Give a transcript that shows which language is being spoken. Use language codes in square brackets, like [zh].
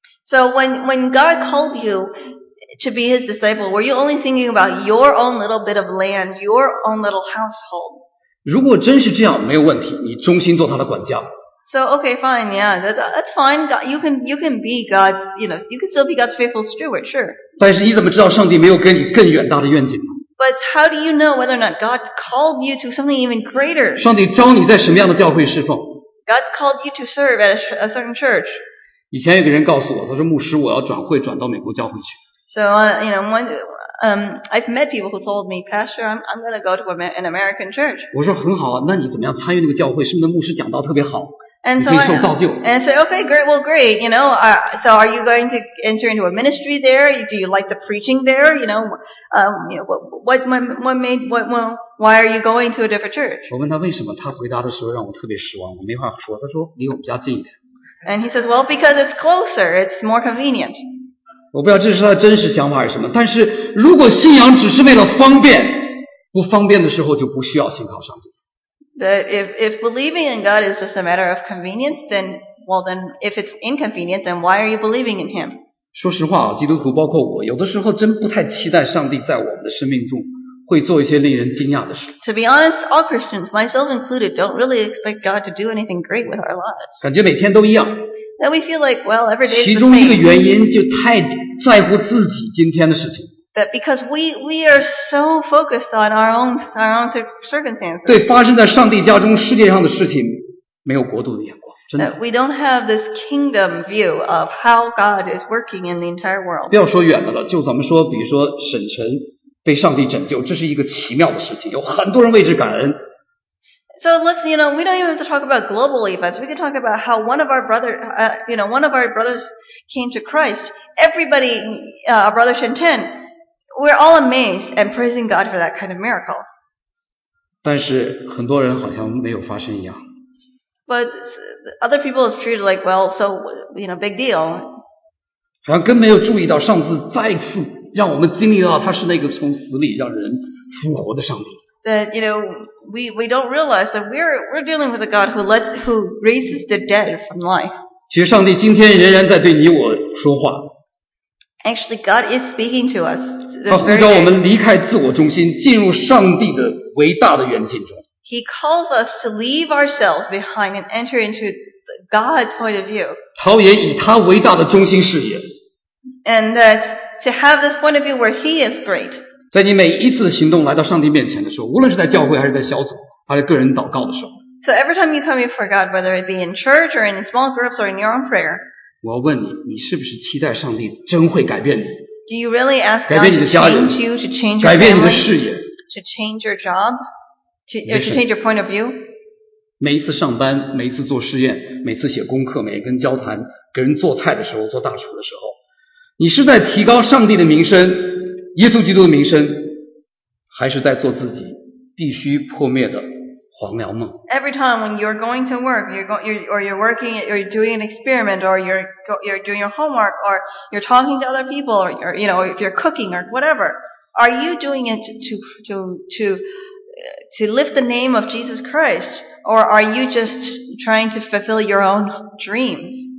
[en] So when God called you to be His disciple, were you only thinking about your own little bit of land, your own little household? [zh] 如果真是这样，没有问题，你忠心做他的管家。 [en] So okay, fine, yeah, that's fine. God, you can be God's, you know, you can still be God's faithful steward, sure. [zh] 但是你怎么知道上帝没有给你更远大的愿景？ [en] But how do you know whether or not God called you to something even greater? [zh] 上帝召你在什么样的教会侍奉？ [en] God called you to serve at a certain church. [zh] 以前有个人告诉我，他说牧师，我要转会转到美国教会去。 [en] So you know, I've met people who told me, Pastor, I'm going to go to an American church. [zh] 我说很好啊，那你怎么样参与那个教会？是不是牧师讲道特别好？ [en] And so, okay, great, well, great, you know, so are you going to enter into a ministry there? Do you like the preaching there? You know, why are you going to a different church? [zh] 我问他为什么，他回答的时候让我特别失望，我没话说，他说离我们家近一点。 [en] And he says, well, because it's closer, it's more convenient. [zh] 我不知道这是他真实想法还是什么，但是如果信仰只是为了方便，不方便的时候就不需要信靠上帝。 [en] That if believing in God is just a matter of convenience, then, well, then, if it's inconvenient, then why are you believing in Him? [zh] 说实话，基督徒包括我，有的时候真不太期待上帝在我们的生命中会做一些令人惊讶的事。 [en] To be honest, all Christians, myself included, don't really expect God to do anything great with our lives. [zh] 感觉每天都一样。 [en] That we feel like, well, every day is the same. [zh] 其中一个原因就太在乎自己今天的事情。 [en] That because we are so focused on our own circumstances. [zh] 对发生在上帝家中世界上的事情没有国度的眼光真的。 [en] That we don't have this kingdom view of how God is working in the entire world. [zh] 不要说远的了就咱们说比如说沈晨被上帝拯救这是一个奇妙的事情有很多人为之感恩。 [en] So let's, you know, we don't even have to talk about global events. We can talk about how one of our brother, you know, one of our brothers came to Christ. Everybody, Brother Shen Ten, we're all amazed and praising God for that kind of miracle. [zh] 但是很多人好像没有发生一样。 [en] But other people have treated like, well, so, you know, big deal. [zh] 好像更没有注意到上次再次让我们经历到他是那个从死里让人复活的上帝。 [en] That, you know, we don't realize that we're dealing with a God who raises the dead from life. [zh] 其实上帝今天仍然在对你我说话。 [en] Actually, God is speaking to us. [zh] 他呼召我们离开自我中心，进入上帝的伟大的远景中。 [en] He calls us to leave ourselves behind and enter into God's point of view. [zh] 陶冶以他伟大的中心视野。 [en] And that to have this point of view where He is great. [zh] 在你每一次行动来到上帝面前的时候，无论是在教会还是在小组，还是个人祷告的时候。 [en] So every time you come before God, whether it be in church or in small groups or in your own prayer. [zh] 我要问你，你是不是期待上帝真会改变你？ [en] Do you really ask God [zh] 改变你的家人？ [en] To change you, to change [zh] 改变你的事业？ [en] To change your job? To change your point of view? [zh] 每一次上班，每一次做试验，每次写功课，每一次跟交谈，给人做菜的时候，做大厨的时候，你是在提高上帝的名声，耶稣基督的名声，还是在做自己必须破灭的黄粱梦。 [en] Every time when you're going to work, you're doing an experiment, or you're doing your homework, or you're talking to other people, or you're, you know, if you're cooking or whatever, are you doing it to lift the name of Jesus Christ, or are you just trying to fulfill your own dreams?